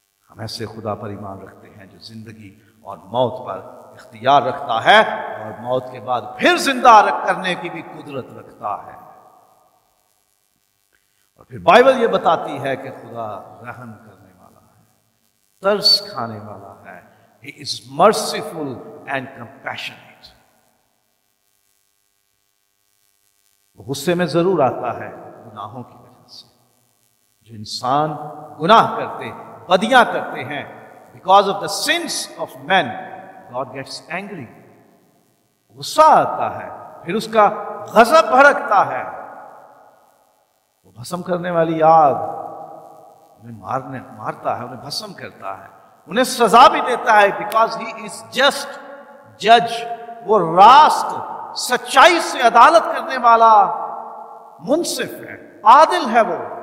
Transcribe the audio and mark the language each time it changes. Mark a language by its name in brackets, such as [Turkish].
[Urdu] ہم ایسے خدا پر ایمان رکھتے ہیں جو زندگی اور موت پر اختیار رکھتا ہے اور موت کے بعد پھر زندہ کرنے کی بھی قدرت رکھتا ہے. اور پھر بائبل یہ بتاتی ہے کہ خدا رحم کرنے والا ہے, ترس کھانے والا ہے. [English] He is merciful and compassionate. [Urdu] وہ غصے میں ضرور آتا ہے گناہوں کی وجہ سے. جو انسان گناہ کرتے بدیاں کرتے ہیں, [English] because of the sins of men God gets angry. [Urdu] غصہ آتا ہے, پھر اس کا غضب بھڑکتا ہے, وہ بھسم کرنے والی آگ انہیں مارتا ہے, انہیں بھسم کرتا ہے, انہیں سزا بھی دیتا ہے. [English] because he is just جج, [Urdu] وہ راست سچائی سے عدالت کرنے والا منصف ہے, عادل ہے وہ.